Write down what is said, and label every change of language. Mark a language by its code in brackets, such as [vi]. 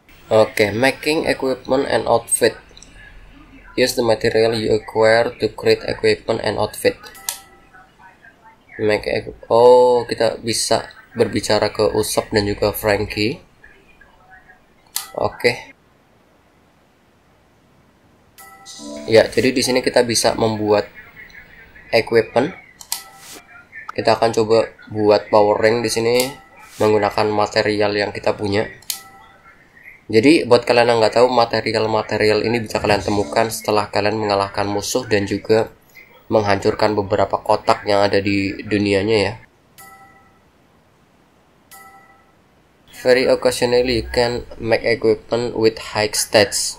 [en] Okay, making equipment and outfit. Use the material you acquire to create equipment and outfit. Make equipment. [id] Oh, kita bisa berbicara ke Usopp dan juga Franky. Okay. Ya, jadi di sini kita bisa membuat equipment. Kita akan coba buat power ring di sini menggunakan material yang kita punya. Jadi buat kalian yang nggak tahu, material-material ini bisa kalian temukan setelah kalian mengalahkan musuh dan juga menghancurkan beberapa kotak yang ada di dunianya ya. [en] Very occasionally you can make equipment with high stats.